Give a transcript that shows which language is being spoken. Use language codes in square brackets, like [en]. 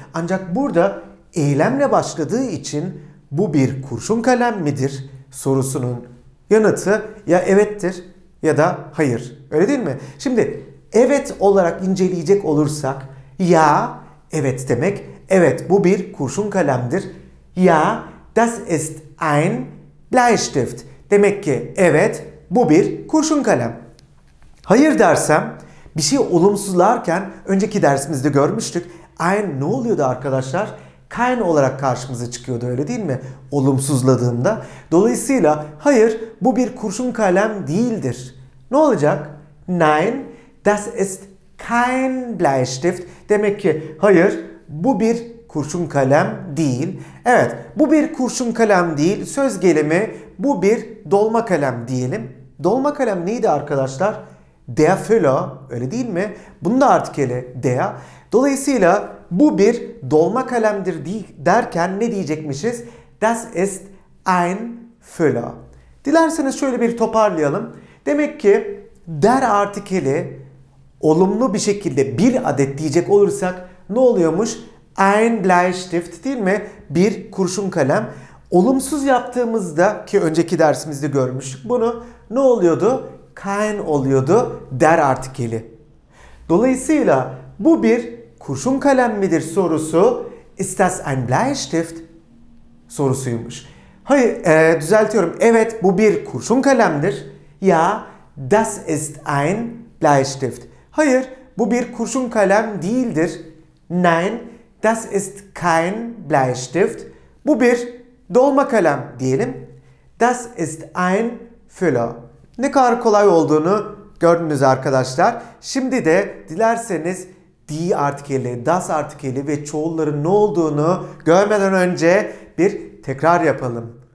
[tr] Ancak burada eylemle başladığı için bu bir kurşun kalem midir sorusunun yanıtı ya evettir ya da hayır. Öyle değil mi? Şimdi evet olarak inceleyecek olursak, ya evet demek, evet bu bir kurşun kalemdir. [de] Ja, das ist ein Bleistift. [tr] Demek ki evet bu bir kurşun kalem. Hayır dersem, bir şey olumsuzlarken önceki dersimizde görmüştük. Ein ne oluyordu arkadaşlar? Kein olarak karşımıza çıkıyordu, öyle değil mi? Olumsuzladığında. Dolayısıyla hayır bu bir kurşun kalem değildir. Ne olacak? [de] Nein, das ist kein Bleistift. [tr] Demek ki hayır bu bir kurşun kalem değil. Evet, bu bir kurşun kalem değil. Söz gelimi bu bir dolma kalem diyelim. Dolma kalem neydi arkadaşlar? Der Füller, öyle değil mi? Bunun da artikeli der. Dolayısıyla bu bir dolma kalemdir derken ne diyecekmişiz? [de] Das ist ein Füller. [tr] Dilerseniz şöyle bir toparlayalım. Demek ki der artikeli olumlu bir şekilde bir adet diyecek olursak ne oluyormuş? [de] Ein Bleistift, [tr] değil mi? Bir kurşun kalem. Olumsuz yaptığımızda, ki önceki dersimizde görmüştük bunu, ne oluyordu? Kein oluyordu, der artikeli. Dolayısıyla bu bir kurşun kalem midir sorusu [de] ist das ein Bleistift [tr] sorusuymuş. Hayır, düzeltiyorum. Evet, bu bir kurşun kalemdir. [de] Ja, das ist ein Bleistift. [tr] Hayır, bu bir kurşun kalem değildir. [de] Nein, das ist kein Bleistift. [tr] Bu bir dolma kalem diyelim. [de] Das ist ein Füller. [tr] Ne kadar kolay olduğunu gördünüz arkadaşlar. Şimdi de dilerseniz die artikeli, das artikeli ve çoğulların ne olduğunu görmeden önce bir tekrar yapalım.